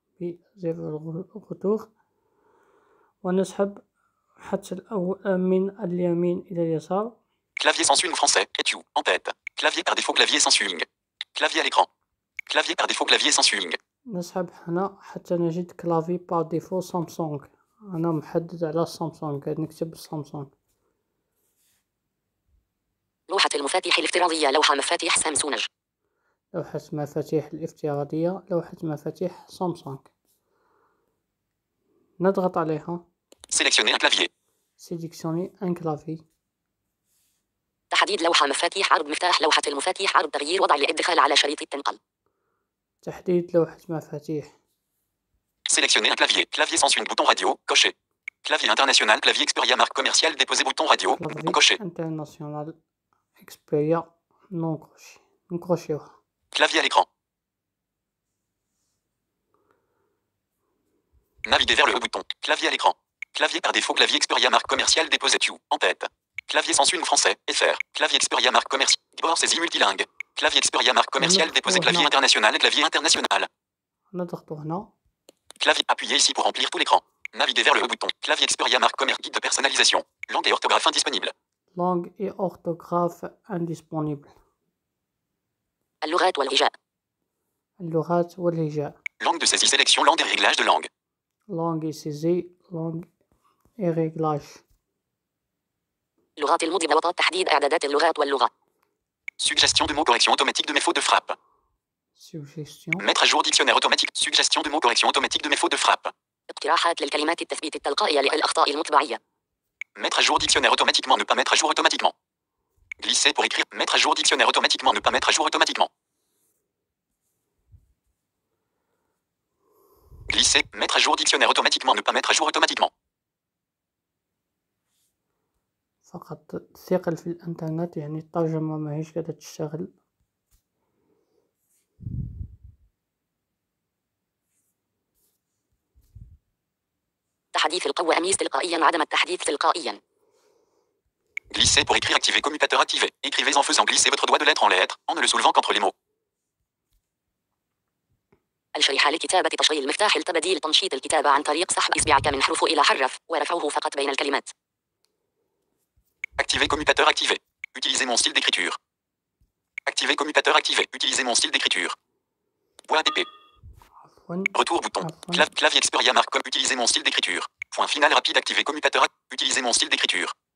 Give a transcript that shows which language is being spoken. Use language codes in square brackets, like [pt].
[ar] في زر الرتور ونسحب حتى الأول من اليمين إلى اليسار [fr] clavier sans swing français etu en tête clavier par défaut clavier sans swing clavier à l'écran clavier par défaut clavier sans swing [ar] نسحب هنا حتى نجد كلافي بار ديفو سامسونج انا محدد على سامسونج قاعد نكتب سامسونج لوحة المفاتيح الافتراضية لوحة مفاتيح سامسونج لوحة مفاتيح الافتراضية لوحة مفاتيح سامسونج نضغط عليها [fr] سيليكسيوني ان كلافي سيليكسيوني ان كلافي [ar] تحديد لوحة مفاتيح عرض مفتاح لوحة المفاتيح عرض تغيير وضع الادخال على شريط التنقل تحديد لوحة مفاتيح. [fr] Sélectionner un clavier. Clavier sans swing. Bouton radio. Coché. Clavier international. Clavier Xperia marque commerciale. Déposer bouton radio. Coché. International. Xperia. Non coché. Non coché. Clavier à l'écran. Naviguer vers le haut bouton. Clavier à l'écran. Clavier par défaut. Clavier Xperia marque commerciale. Déposer tu. En tête. Clavier sans swing français. FR. Clavier Xperia marque commerciale. Bord saisie multilingue. Clavier Xperia marque commerciale déposé clavier international clavier international. Clavier appuyez ici pour remplir tout l'écran. Naviguez vers le haut bouton. Clavier Xperia marque commerciale guide de personnalisation. Langue et orthographe indisponible. Langue et orthographe indisponible. [ar] اللغات والهجاء. اللغات والهجاء. [fr] Langue de saisie sélection langue et réglage de langue. Langue et saisie langue et réglage. [ar] لغات المضي نوطات تحديد اعدادات اللغات واللغة. [fr] Suggestion de mots correction automatique de mes fautes de frappe. Suggestion. Mettre à jour dictionnaire automatique. Suggestion de mots correction automatique de mes fautes de frappe. [ar] اقتراحات للكلمات التثبيت التلقائية للأخطاء المطبعية. [fr] Mettre à jour dictionnaire automatiquement. Ne pas mettre à jour automatiquement. Glisser pour écrire. Mettre à jour dictionnaire automatiquement. Ne pas mettre à jour automatiquement. Glisser. Mettre à jour dictionnaire automatiquement. Ne pas mettre à jour automatiquement. [ar] فقط ثقل في الانترنت يعني الترجمة ما هيش قادة تشتغل تحديث القواميس تلقائيا عدم التحديث تلقائيا [fr] glisser pour écrire activer commutateur activer écrivez en faisant glisser votre doigt de lettre en lettre en ne le soulevant qu'entre les mots [ar] الشريحة لكتابة تشغيل المفتاح لتبديل تنشيط الكتابة عن طريق سحب إصبعك من حرف إلى حرف ورفعه فقط بين الكلمات [fr] Activer commutateur activé. Utilisez mon style d'écriture. Activer commutateur activé. Utilisez mon style d'écriture. Point app. Retour bouton. Clavier Xperia marque comme utilisez mon style d'écriture. Point final rapide activer commutateur. Utilisez mon style d'écriture.